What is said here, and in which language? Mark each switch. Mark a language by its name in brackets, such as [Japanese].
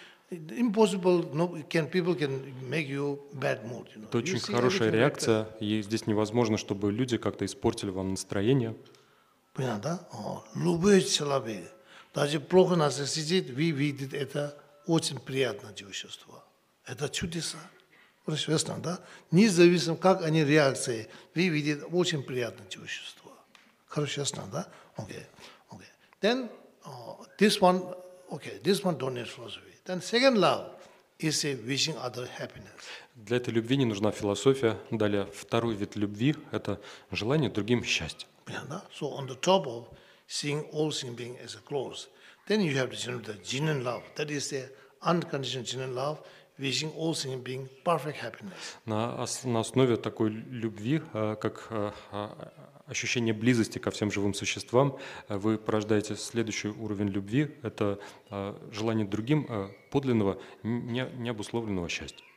[English] Impossible, no, people can make you bad mood. You know? [Russian] Это очень хорошая реакция, и здесь невозможно, чтобы люди как-то испортили вам настроение. Понятно, да? Любой человек, даже плохо нас сидит, вы видите, это очень приятное чувство. Это чудеса. Понятно, да? Независимо, как они реакции, вы видите, очень приятное чувство. Хорошо, ясно, да? [English] Okay. Okay. Then, this one don't need philosophy. Then second love is a wishing other happiness. [Russian] Для этой любви не нужна философия. Далее, второй вид любви – это желание другим счастья. [English] So on the top of seeing all sin being as a close, then you have the genuine love. That is the unconditional genuine love, wishing all sin being perfect happiness. [Russian] На основе такой любви, как ощущение близости ко всем живым существам, вы порождаете следующий уровень любви. Это желание другим подлинного, необусловленного счастья.